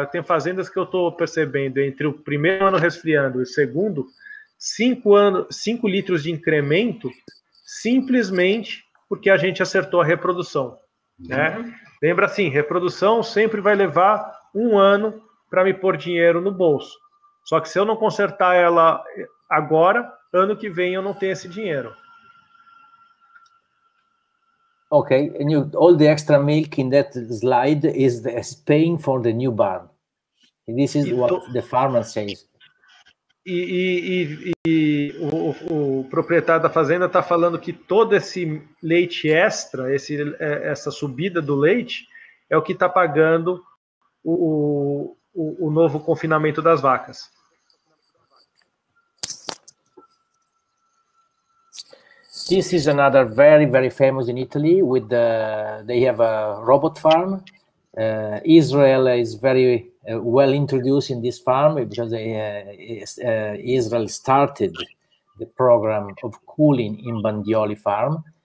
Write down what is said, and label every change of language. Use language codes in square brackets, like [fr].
[pt] Eu tenho fazendas que eu estou percebendo entre o primeiro ano resfriando e o segundo, 5 litros de incremento, simplesmente porque a gente acertou a reprodução. Né? Uhum. Lembra assim, reprodução sempre vai levar um ano para me pôr dinheiro no bolso. Só que se eu não consertar ela agora, ano que vem eu não tenho esse dinheiro. [en] Ok, and all the extra milk in that slide is paying for the new barn. And this is what the farmer says. [pt] E o proprietário da fazenda está falando que todo esse leite extra, essa subida do leite, é o que está pagando o novo confinamento das vacas. [en] This is another very, very famous in Italy. With the, they have a robot farm. Israel is very well introduced in this farm because Israel started the program of cooling in Bandioli farm.